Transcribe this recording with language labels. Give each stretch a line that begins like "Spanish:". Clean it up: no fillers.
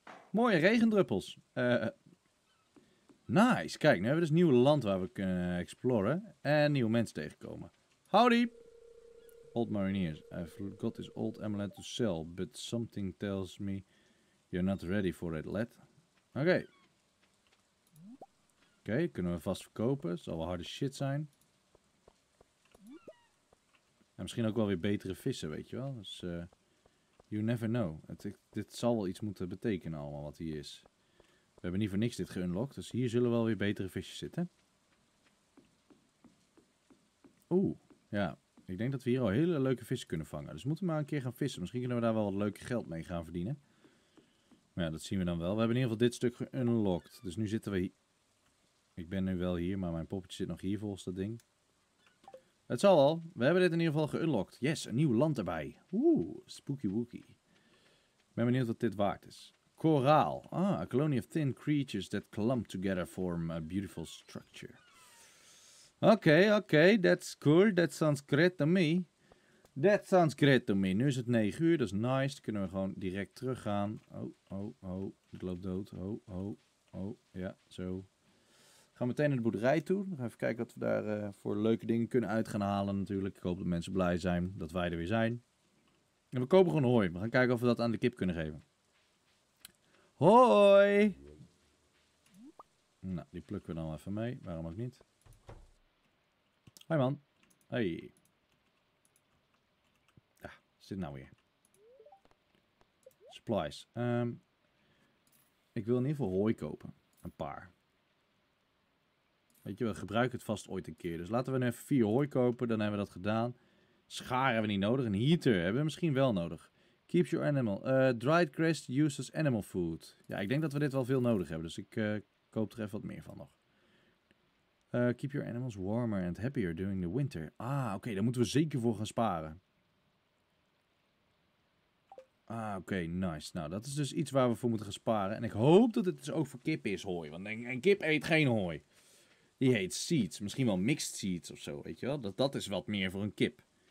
Dutch: Mooie regendruppels. Nice. Kijk, nu hebben we dus nieuw land waar we kunnen exploren. En nieuwe mensen tegenkomen.
English: Howdy. Old mariniers. I've got this old amulet to sell. But something tells me you're not ready for it, lad.
Dutch: Oké. Oké, kunnen we vast verkopen. Zal wel harde shit zijn. En misschien ook wel weer betere vissen, weet je wel. Dus...
English: You never know.
Dutch: Dit zal wel iets moeten betekenen allemaal wat hier is. We hebben niet voor niks dit geunlocked. Dus hier zullen wel weer betere visjes zitten. Oeh. Ja. Ik denk dat we hier al hele leuke vissen kunnen vangen. Dus moeten we maar een keer gaan vissen. Misschien kunnen we daar wel wat leuke geld mee gaan verdienen. Maar ja, dat zien we dan wel. We hebben in ieder geval dit stuk geunlocked. Dus nu zitten we hier. Ik ben nu wel hier, maar mijn poppetje zit nog hier volgens dat ding. Het zal wel. We hebben dit in ieder geval geunlocked. Yes, een nieuw land erbij. Oeh, spooky wookie. Ik ben benieuwd wat dit waard is. Koraal.
English: Ah, a colony of thin creatures that clump together form a beautiful structure. Oké, that's cool. That sounds great to me. That sounds great to me.
Dutch: Nu is het 9 uur, dat is nice. Dan kunnen we gewoon direct teruggaan. Ik loop dood. Ja, zo. Gaan we meteen naar de boerderij toe. Even kijken wat we daar voor leuke dingen kunnen uit gaan halen natuurlijk. Ik hoop dat mensen blij zijn dat wij er weer zijn. En we kopen gewoon hooi. We gaan kijken of we dat aan de kip kunnen geven. Hoi! Nou, die plukken we dan even mee. Waarom ook niet? Hoi man. Hey. Ja, zit nou weer. Supplies. Ik wil in ieder geval hooi kopen. Een paar. Weet je, we gebruiken het vast ooit een keer. Dus laten we nu even 4 hooi kopen. Dan hebben we dat gedaan. Schaar hebben we niet nodig. Een heater hebben we misschien wel nodig.
English: Keeps your animal. Dried grass used as animal food.
Dutch: Ja, ik denk dat we dit wel veel nodig hebben. Dus ik koop er even wat meer van nog.
English: Keep your animals warmer and happier during the winter.
Dutch: Ah, oké. Daar moeten we zeker voor gaan sparen. Ah, oké. Nice. Nou, dat is dus iets waar we voor moeten gaan sparen. En ik hoop dat het dus ook voor kip is hooi. Want een kip eet geen hooi. Die heet seeds. Misschien wel mixed seeds of zo, weet je wel. Dat is wat meer voor een kip.